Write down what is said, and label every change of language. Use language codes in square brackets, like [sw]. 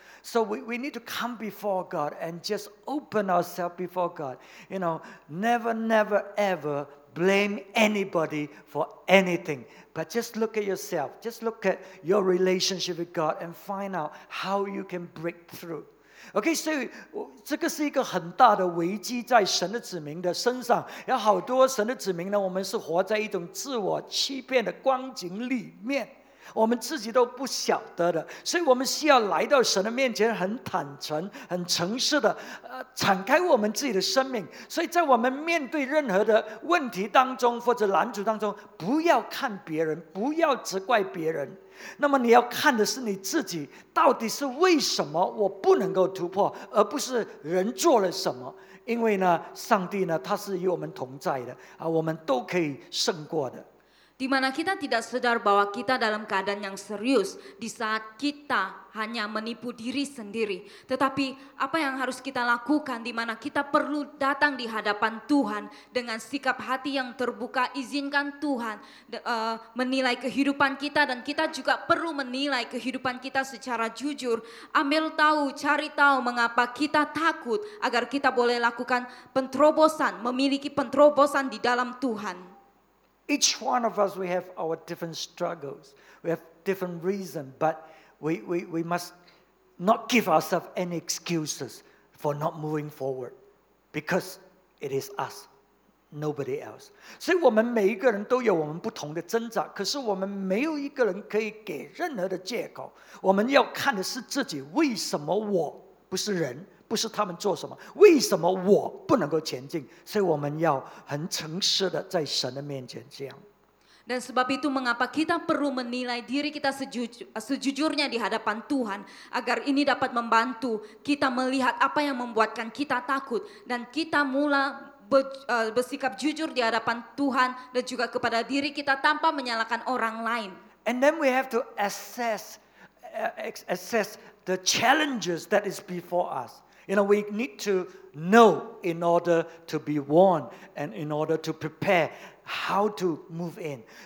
[en] So we need to come before God and just open ourselves before God. You know, never, never, ever blame anybody for anything. But just look at yourself. Just look at your relationship with God and find out how you can break through. [zh] OK, 所以这个是一个很大的危机在神的子民的身上。有好多神的子民呢，我们是活在一种自我欺骗的光景里面，我们自己都不晓得的。所以我们需要来到神的面前，很坦诚，很诚实的敞开我们自己的生命。所以在我们面对任何的问题当中或者拦阻当中，不要看别人，不要责怪别人，那么你要看的是你自己，到底是为什么我不能够突破，而不是人做了什么。因为呢，上帝呢，他是与我们同在的啊，我们都可以胜过的。 [ms] Di mana kita tidak sadar bahwa kita dalam keadaan yang serius, di saat kita hanya menipu diri sendiri. Tetapi apa yang harus kita lakukan, di mana kita perlu datang di hadapan Tuhan dengan sikap hati yang terbuka, izinkan Tuhan menilai kehidupan kita, dan kita juga perlu menilai kehidupan kita secara jujur. Ambil tahu, cari tahu mengapa kita takut, agar kita boleh lakukan penterobosan, memiliki penterobosan di dalam Tuhan. [en] Each one of us, we have our different struggles. We have different reasons, but we must not give ourselves any excuses for not moving forward. Because it is us, nobody else. [zh] 所以我们每一个人都有我们不同的挣扎, 可是我们没有一个人可以给任何的借口, 我们要看的是自己, 为什么我不是人, 不是他们做什么, 为什么我不能够前进, 所以我们要很诚实的在神的面前这样。 [ms] Dan sebab itu mengapa kita perlu menilai diri kita sejujurnya di hadapan Tuhan agar ini dapat membantu kita melihat apa yang membuatkan kita takut dan kita mulai bersikap jujur di hadapan Tuhan dan juga kepada diri kita tanpa menyalahkan orang lain. [en] And then we have to assess the challenges that is before us. You know, we need to know in order to be warned and in order to prepare how to move in.